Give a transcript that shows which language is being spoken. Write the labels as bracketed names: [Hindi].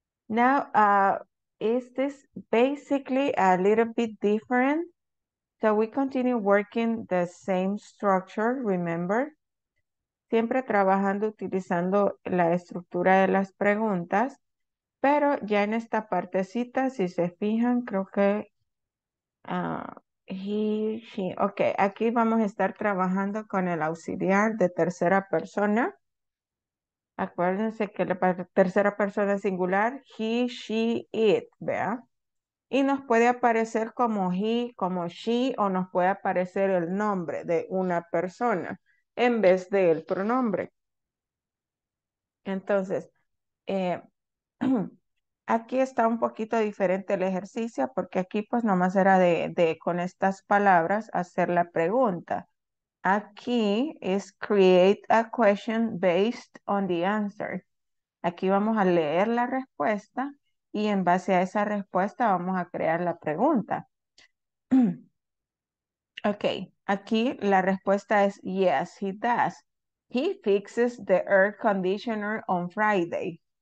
[English] Now, is this basically a little bit different? So we continue working the same structure, remember? [Spanish] Siempre trabajando utilizando la estructura de las preguntas, pero ya en esta partecita, si se fijan, creo que okay, aquí vamos a estar trabajando con el auxiliar de tercera persona. Acuérdense que la tercera persona singular, he, she, it, ¿vea? Y nos puede aparecer como he, como she, o nos puede aparecer el nombre de una persona en vez del pronombre. Entonces, aquí está un poquito diferente el ejercicio porque aquí pues nomás era de con estas palabras hacer la pregunta. Aquí es [English] create a question based on the answer. [Spanish] Aquí vamos a leer la respuesta y en base a esa respuesta vamos a crear la pregunta. Ok, aquí la respuesta es [English] yes, he does. He fixes the air conditioner on Friday.